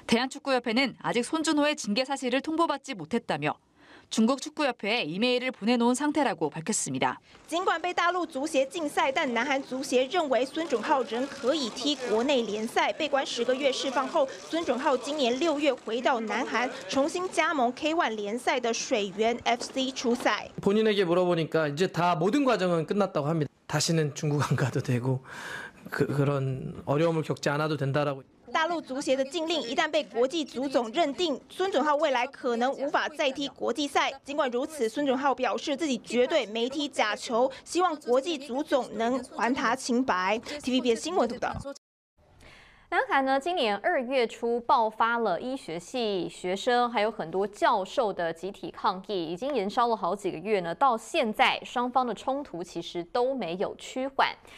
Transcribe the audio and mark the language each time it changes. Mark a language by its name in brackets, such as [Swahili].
[Korean] 대한축구협회는아직손준호의징계사실을통보받지못했다며중국축구협회에이메일을보내놓은상태라고밝혔습니다 [Chinese] 尽管被大陆足协禁赛，但南韩足协认为孙准浩仍可以踢国内联赛。被关10个月释放后，孙准浩今年6月回到南韩，重新加盟 K1 联赛的水源 FC 出赛。 [Korean] 본인에게물어보니까이제다모든과정은끝났다고합니다다시는중국안가도되고 그런어려움을겪지않아도된다라고 [Chinese] 大陆足协的禁令一旦被国际足总认定，孙准浩未来可能无法再踢国际赛。尽管如此，孙准浩表示自己绝对没踢假球，希望国际足总能还他清白。 TVBS 新闻报道。南韩呢，今年2月初爆发了医学系学生还有很多教授的集体抗议，已经延烧了好几个月呢，到现在双方的冲突其实都没有趋缓。